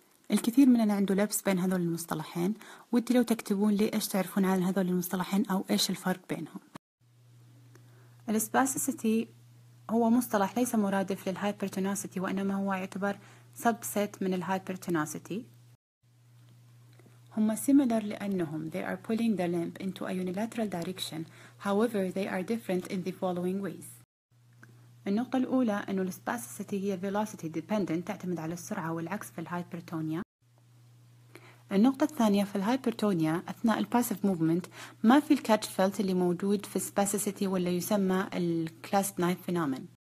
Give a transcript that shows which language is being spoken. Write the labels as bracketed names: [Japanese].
[Arabic] الكثير مننا عنده لبس بين هذول المصطلحين، ودي لو تكتبون لي ايش تعرفون عن هذول المصطلحين او ايش الفرق بينهم. الاسباسيسيتي هو مصطلح ليس مرادف للهايبرتوناسيتي، وانما هو يعتبر سبسيت من الهايبرتوناسيتي. هما [English] similar [Arabic] لانهم [English] they are pulling the limb into a unilateral direction، however they are different in the following ways. [Arabic] النقطة الأولى أنه الاسباسيسيتي هي velocity dependent، تعتمد على السرعة، والعكس في الهايبرتونيا. النقطة الثانية في الهايبرتونيا أثناء الباسيف موفمنت ما في الكاتش فيلت اللي موجود في الاسباسيسيتي، واللي يسمى الكلاست نايف فينومن.